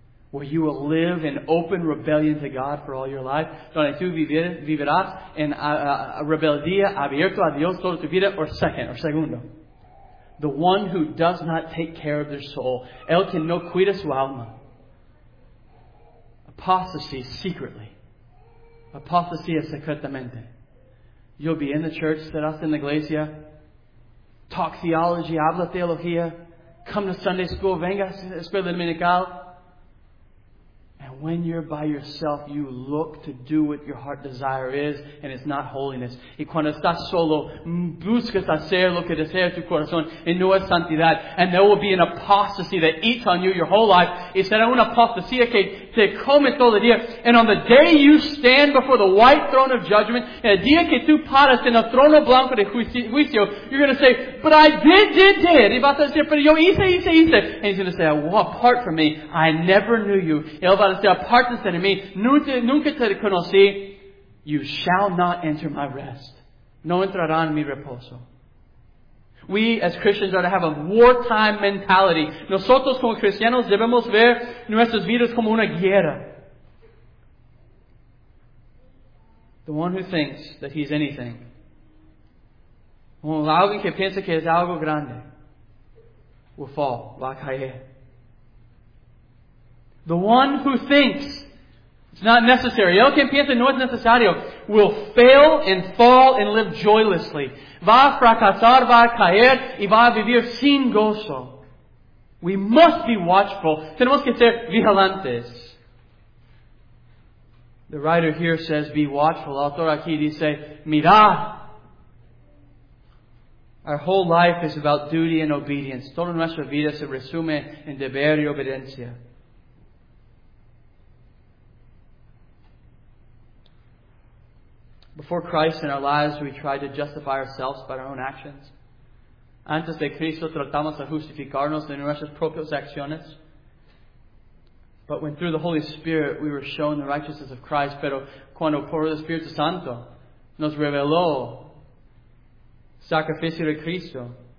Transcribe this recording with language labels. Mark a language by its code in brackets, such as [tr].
[en] Where you will live in open rebellion to God for all your life. [es] Donde tú vivirás en rebeldía abierto a Dios toda tu vida. Segundo. [en] The one who does not take care of their soul. [es] El que no cuida su alma. [en] Apostasy secretly. [es] Apostasía secretamente. [en] You'll be in the church, [es] serás en la iglesia, [en] talk theology, [es] habla teología, [en] come to Sunday school, [es] venga a escuela dominical, [en] and And when you're by yourself, you look to do what your heart desire is, and it's not holiness. [es] Y cuando estás solo, buscas hacer lo que desea tu corazón, y no es santidad. [en] And there will be an apostasy that eats on you your whole life. [es] Y será una apostasía que te come todo el día. [en] And on the day you stand before the white throne of judgment, [es] el día que tú paras en el trono blanco de juicio, [en] you're going to say, but I did. [es] Y vas a decir, pero yo hice. [en] And he's going to say, well, apart from me, I never knew you. [es] Él va a decir, apártense de mí, nunca te conocí. [en] You shall not enter my rest. [es] No entrarán mi reposo. [en] We as Christians are to have a wartime mentality. [es] Nosotros como cristianos debemos ver nuestras vidas como una guerra. [en] The one who thinks that he's anything. [es] O alguien que piensa que es algo grande. [en] Will fall. [es] Va a caer. [en] The one who thinks it's not necessary. [es] El que piensa no es necesario. [en] Will fail and fall and live joylessly. [es] Va a fracasar, va a caer y va a vivir sin gozo. [en] We must be watchful. [es] Tenemos que ser vigilantes. [en] The writer here says, be watchful. [es] El autor aquí dice, mirad. [en] Our whole life is about duty and obedience. [es] Toda nuestra vida se resume en deber y obediencia. [en] Before Christ in our lives, we tried to justify ourselves by our own actions. [es] Antes de Cristo, tratamos de justificarnos de nuestras propias acciones. [en] But when through the Holy Spirit, we were shown the righteousness of Christ, [es] pero cuando por el Espíritu Santo nos reveló sacrificio de Cristo.